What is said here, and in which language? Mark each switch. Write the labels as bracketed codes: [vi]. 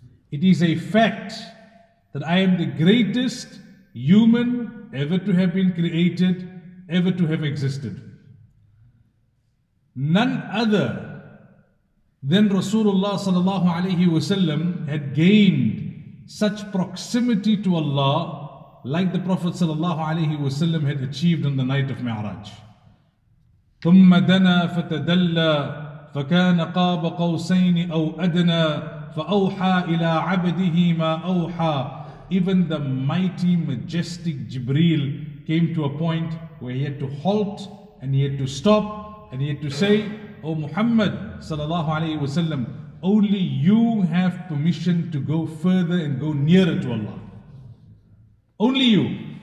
[en] It is a fact that I am the greatest human ever to have been created, ever to have existed. None other than Rasulullah sallallahu alayhi wasallam had gained such proximity to Allah like the Prophet sallallahu alayhi wasallam had achieved on the night of Mi'raj. [ar] ثم دنا فتدلى فكان قاب قوسين أو أدنى فأوحى إلى عبده ما أوحى. [en] Even the mighty, majestic Jibreel came to a point where he had to halt and he had to stop and he had to say, "O Muhammad sallallahu alayhi wa sallam, only you have permission to go further and go nearer to Allah. Only you."